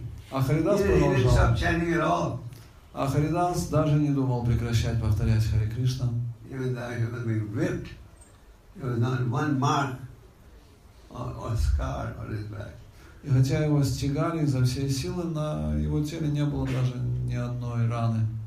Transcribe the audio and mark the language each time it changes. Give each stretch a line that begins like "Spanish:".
Russian: А Харидас продолжал. А Харидас даже не думал прекращать повторять Хари Кришна.
English: There was not one mark or scar on his back.
Russian: И хотя его стегали изо всей силы, на его теле не было даже ни одной раны.